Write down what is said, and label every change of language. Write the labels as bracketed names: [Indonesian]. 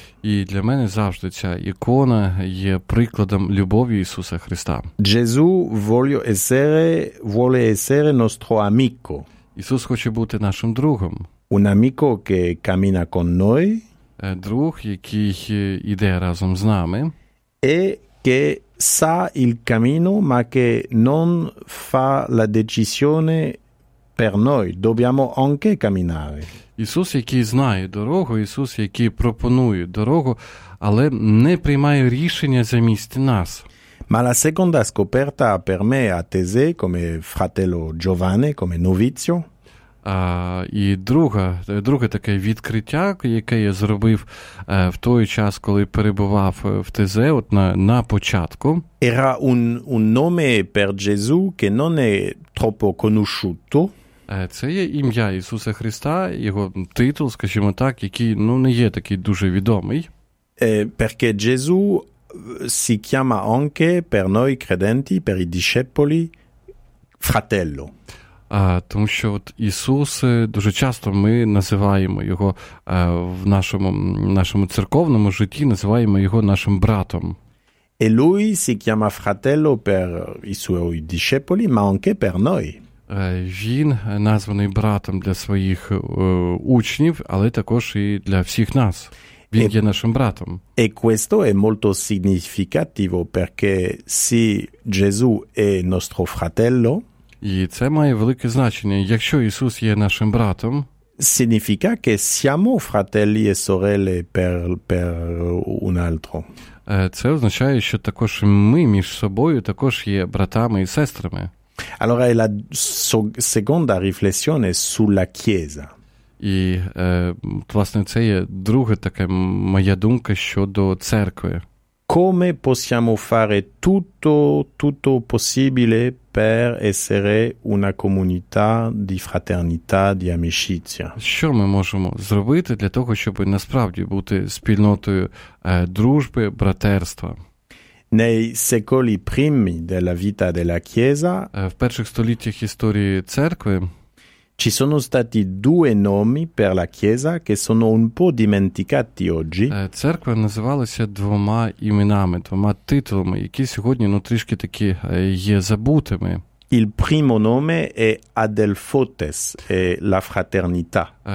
[Ukrainian] І для мене завжди ця ікона є прикладом любові Ісуса Христа. [Italian] Gesù vuole essere nostro amico. [Ukrainian] Ісус хоче бути нашим другом. [Italian] Un amico che cammina con noi. [Ukrainian] Друг, який йде разом з нами. [Italian] E che sa il cammino, ma che non fa la decisione per noi. Dobbiamo anche camminare. [Ukrainian] Ісус, який знає дорогу, Ісус, який пропонує дорогу, але не приймає рішення замість нас. [Italian] Ma la seconda scoperta per me a Tese, come fratello giovane, come novizio, [Ukrainian] І друге таке відкриття, яке я зробив в той час, коли перебував в Тезе, от на початку. [Italian] Era un nome per Gesù che non è troppo conosciuto. [Ukrainian] Це є ім'я Ісуса Христа, його титул, скажімо так, який, ну, не є такий дуже відомий. [Italian] Perché Gesù si chiama anche per noi credenti, per i discepoli, fratello. [Ukrainian] Тому що от Ісус, дуже часто ми називаємо його в нашому церковному житті, називаємо його нашим братом. [Italian] E lui si chiama fratello per i suoi discepoli, ma anche per noi. [Ukrainian] Він названий братом для своїх учнів, але також і для всіх нас. Він є нашим братом. [Italian] E questo è molto significativo, perché se Gesù è nostro fratello, [Ukrainian] і це має велике значення. Якщо Ісус є нашим братом, [Italian] significa che siamo fratelli e sorelle per un altro. [Ukrainian] Це означає, що також ми між собою також є братами і сестрами. [Italian] Allora è la seconda riflessione sulla Chiesa. [Ukrainian] І, власне, це є друга така моя думка щодо церкви. [Italian] Come possiamo fare tutto possibile per essere una comunità di fraternità, di amicizia? [Ukrainian] Що ми можемо зробити для того, щоб насправді бути спільнотою дружби, братерства? [Italian] Nei secoli primi della vita della Chiesa, [Ukrainian] в перших століттях історії церкви, [Italian] ci sono stati due nomi per la Chiesa che sono un po' dimenticati oggi. [Ukrainian] Церква називалася двома іменами, двома титолами, які сьогодні, ну, трішки такі є забутими. [Italian] Il primo nome è Adelphotes, è la fraternità.